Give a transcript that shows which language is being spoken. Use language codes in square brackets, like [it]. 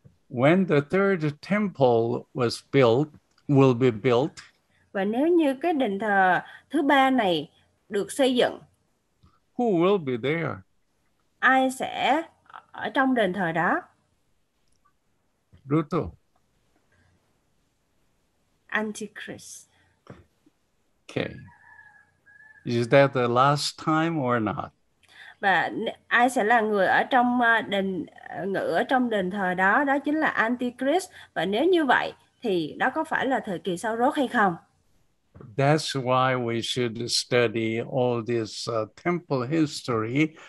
[en] When the third temple was built, will be built. [vi] Và nếu như cái đền thờ thứ ba này được xây dựng, [en] Who will be there? [vi] ai sẽ ở trong đền thờ đó? Ruto. [en] Antichrist. Okay. Is that the last time or not? [vi] Và ai sẽ là người ở trong đền ngự ở trong đền thờ đó? Đó chính là Antichrist. Và nếu như vậy thì đó có phải là thời kỳ sau rốt hay không? [en] That's why we should study all this temple history.